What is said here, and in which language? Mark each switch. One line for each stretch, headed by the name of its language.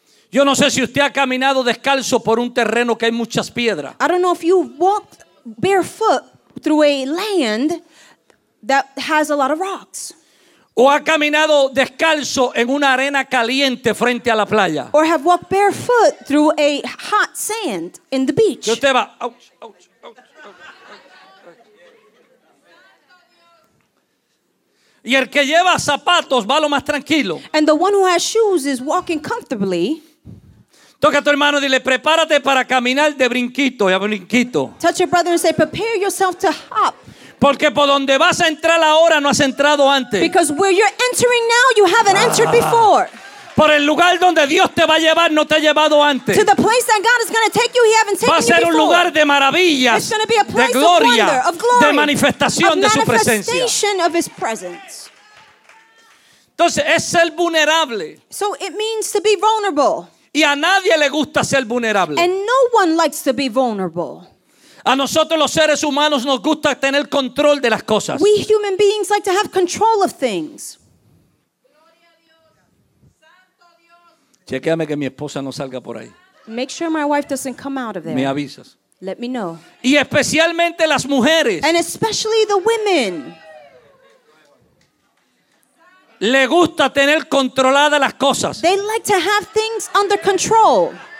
Spanish: Yo no sé si usted ha caminado descalzo por un terreno que hay muchas piedras.
English: I don't know if you walked barefoot through a land that has a lot of rocks.
Spanish: O ha caminado descalzo en una arena caliente frente a la playa.
English: Or have walked barefoot through a hot sand in the beach.
Spanish: Yo te va. Ouch, ouch, ouch, ouch. Y el que lleva zapatos va lo más tranquilo.
English: And the one who has shoes is walking comfortably.
Spanish: Toca a tu hermano y dile, prepárate para caminar de brinquito y a brinquito.
English: Touch your brother and say, prepare yourself to hop.
Spanish: Porque por donde vas a entrar ahora no has entrado antes.
English: Because where you're entering now you haven't entered before.
Spanish: Por el lugar donde Dios te va a llevar, no te ha llevado antes.
English: To the place that God is going to take you, he haven't taken
Spanish: Va a ser un lugar de maravillas,
English: it's going to be a place
Spanish: de gloria,
English: of wonder, of glory,
Spanish: de manifestación de su presencia.
English: Of his presence.
Spanish: Entonces, es ser vulnerable.
English: So it means to be vulnerable.
Spanish: Y a nadie le gusta ser vulnerable.
English: And no one likes to be vulnerable.
Spanish: A nosotros los seres humanos nos gusta tener control de las cosas.
English: We human beings like to have control of things.
Spanish: Chequéame que mi esposa no salga por ahí.
English: Make sure my wife doesn't come out of there.
Spanish: Me avisas.
English: Let me know.
Spanish: Y especialmente las mujeres.
English: And especially the women.
Spanish: Le gusta tener controladas las cosas.
English: They like to have things under control.